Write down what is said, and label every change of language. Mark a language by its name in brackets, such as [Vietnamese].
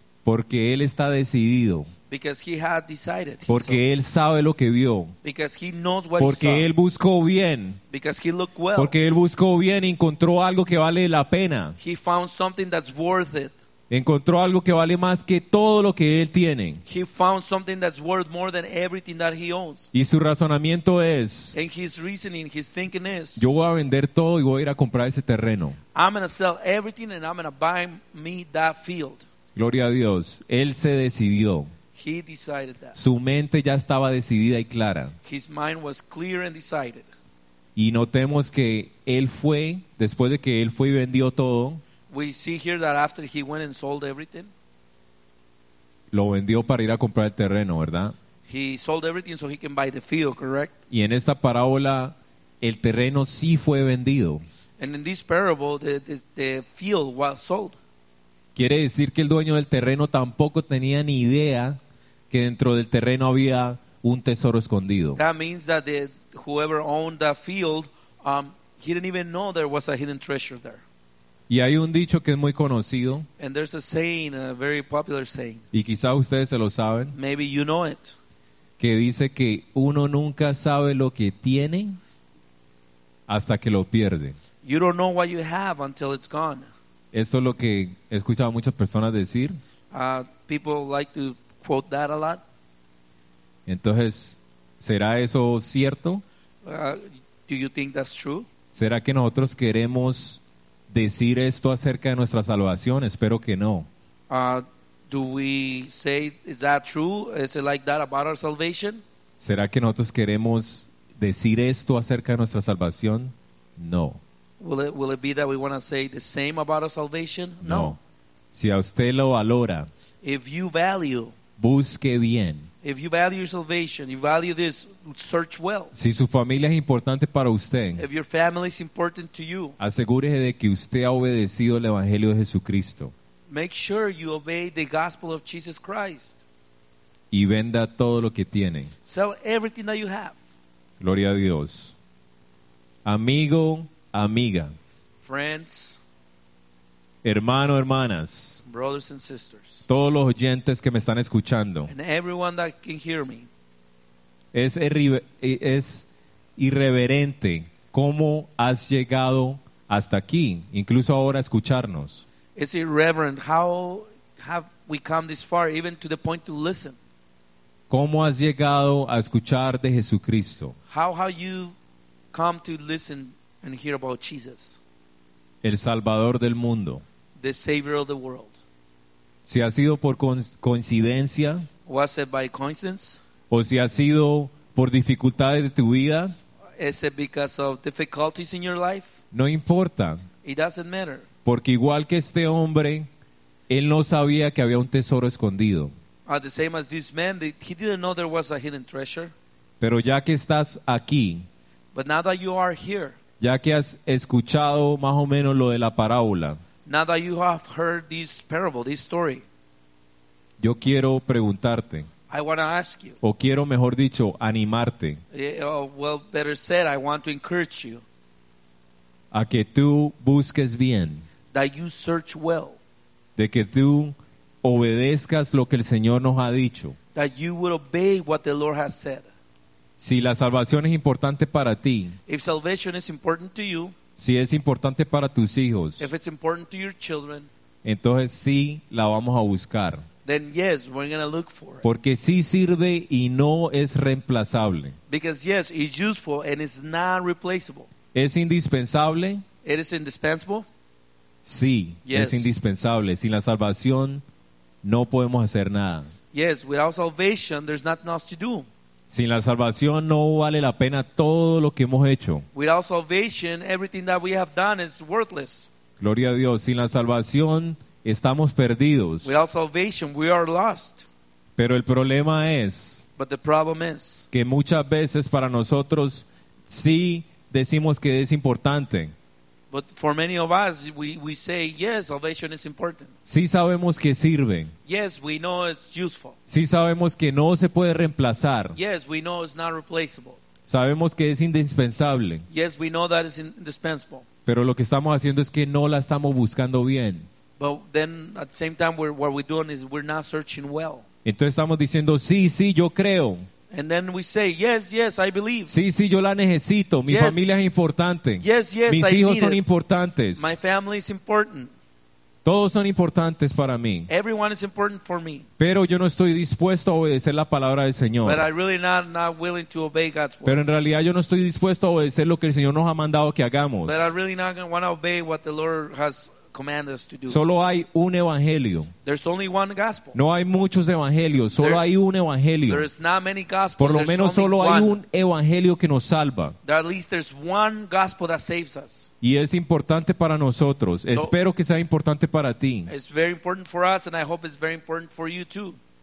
[Spanish] Porque él está decidido. [English] Because he had decided. [Spanish] Porque él sabe lo que vio. [English] Because he knows what [Spanish] porque [English] he saw. [Spanish] Él buscó bien. [English] Because he looked well. [Spanish] Porque él buscó bien y encontró algo que vale la pena. [English] He found something that's worth it. [Spanish] Encontró algo que vale más que todo lo que él tiene. [English] He found something that's worth more than everything that he owns. [Spanish] Y su razonamiento es, [English] and his reasoning, his thinking is, [Spanish] yo voy a vender todo y voy a ir a comprar ese terreno. [English] I'm gonna sell everything and I'm gonna buy me that field. [Spanish] Gloria a Dios. Él se decidió. [English] He decided that. [Spanish] Su mente ya estaba decidida y clara. [English] His mind was clear and decided. [Spanish] Y notemos que él fue, después de que él fue y vendió todo. [English] We see here that after he went and sold everything. [Spanish] Lo vendió para ir a comprar el terreno, ¿verdad? [English] He sold everything so he can buy the field, correct? [Spanish] Y en esta parábola, el terreno sí fue vendido. [English] And in this parable, the field was sold. [Spanish] Quiere decir que el dueño del terreno tampoco tenía ni idea que dentro del terreno había un tesoro escondido. [English] That means that whoever owned that field, he didn't even know there was a hidden treasure there. [Spanish] Y hay un dicho que es muy conocido. [English] And there's a saying, a very popular saying. [Spanish] Y quizá ustedes se lo saben. [English] Maybe you know it. [Spanish] Que dice que uno nunca sabe lo que tiene hasta que lo pierde. [English] You don't know what you have until it's gone. [Spanish] Eso es lo que he escuchado a muchas personas decir. [English] People like to quote that a lot. [Spanish] Entonces, ¿será eso cierto? [English] Do you think that's true? [Spanish] ¿Será que nosotros queremos decir esto acerca de nuestra salvación? Espero que no. [English] Do we say, is that true? Is it like that about our salvation? [Spanish] ¿Será que nosotros queremos decir esto acerca de nuestra salvación? No. [English] Will it be that we want to say the same about our salvation? [Spanish] No. No. Si a usted lo valora, [English] if you value, [Spanish] busque bien. [English] If you value your salvation, you value this, search well. [Spanish] Si su familia es importante para usted, [English] if your family is important to you, [Spanish] asegúrese de que usted ha obedecido el Evangelio de Jesucristo. [English] Make sure you obey the gospel of Jesus Christ. [Spanish] Y venda todo lo que tiene. [English] Sell everything that you have. [Spanish] Gloria a Dios. Amigo, amiga. [English] Friends. [Spanish] Hermano, hermanas, [English] brothers and sisters, [Spanish] todos los oyentes que me están escuchando, [English] and everyone that can hear me, [Spanish] es irreverente cómo has llegado hasta aquí, incluso ahora escucharnos. [English] It's irreverent how have we come this far, even to the point to listen. [Spanish] ¿Cómo has llegado a escuchar de Jesucristo? [English] How have you come to listen and hear about Jesus? [Spanish] El Salvador del mundo. [English] The Savior of the world. [Spanish] Si ha sido por coincidencia. [English] Was it by coincidence? [Spanish] O si ha sido por dificultades de tu vida. [English] Is it because of difficulties in your life? [Spanish] No importa. [English] It doesn't matter. [Spanish] Porque igual que este hombre, él no sabía que había un tesoro escondido. [English] The same as this man, he didn't know there was a hidden treasure. [Spanish] Pero ya que estás aquí, [English] but now that you are here, [Spanish] ya que has escuchado más o menos lo de la parábola, [English] now that you have heard this parable, this story, [Spanish] yo quiero preguntarte, [English] I want to ask you, [Spanish] o quiero mejor dicho, animarte, [English] well, better said, I want to encourage you, [Spanish] a que tú busques bien, [English] that you search well, [Spanish] de que tú obedezcas lo que el Señor nos ha dicho. [English] That you would obey what the Lord has said. [Spanish] Si la salvación es importante para ti, [English] if salvation is important to you, [Spanish] si es importante para tus hijos, [English] if it's important to your children, [Spanish] entonces sí la vamos a buscar. [English] Then yes, we're going to look for it. [Spanish] Porque sí sirve y no es reemplazable. [English] Because yes, it's useful and it's not replaceable. [Spanish] ¿Es indispensable? [English] It is indispensable. [Spanish] Sí, yes. Es indispensable. Sin la salvación no podemos hacer nada. [English] Yes, without salvation there's nothing else to do. [Spanish] Sin la salvación no vale la pena todo lo que hemos hecho. [English] Without salvation everything that we have done is worthless. [Spanish] Gloria a Dios. Sin la salvación estamos perdidos. [English] Without salvation we are lost. [Spanish] Pero el problema es, [English] but the problem is, [Spanish] que muchas veces para nosotros sí decimos que es importante. [English] But for many of us, we say, yes, salvation is important. [Spanish] Sí sabemos que sirve. [English] Yes, we know it's useful. [Spanish] Sí sabemos que no se puede reemplazar. [English] Yes, we know it's not replaceable. [Spanish] Sabemos que es indispensable. [English] Yes, we know that it's indispensable. [Spanish] Pero lo que estamos haciendo es que no la estamos buscando bien. [English] But then, at the same time, what we're doing is we're not searching well. [Spanish] Entonces estamos diciendo, sí, sí, yo creo. [English] And then we say, yes, yes, I believe. [Spanish] Sí, sí, yo la necesito. Mi [English] yes. [Spanish] Familia es importante. [English] Yes, yes, [Spanish] mis [English] I [Spanish] hijos [English] need [Spanish] son [English] it. [Spanish] Importantes. [English] My family is important. [Spanish] Todos son importantes para mí. [English] Everyone is important for me. [Spanish] Pero yo no estoy dispuesto a obedecer la palabra del Señor. [English] But I really not willing to obey God's word. [Spanish] Pero en realidad yo no estoy dispuesto a obedecer lo que el Señor nos ha mandado que hagamos. [English] But I really not going to want to obey what the Lord has command us to do. [Spanish] Solo hay un evangelio. [English] There's only one gospel. [Spanish] No hay muchos evangelios, solo hay un evangelio. [English] There's not many gospels. [Spanish] Por lo menos solo [English] one. [Spanish] Hay un evangelio que nos salva. [English] There at least there's one gospel that saves us. [Spanish] Y es importante para nosotros. So, espero que sea importante para ti. [English] It's very important for us and I hope it's very important for you too.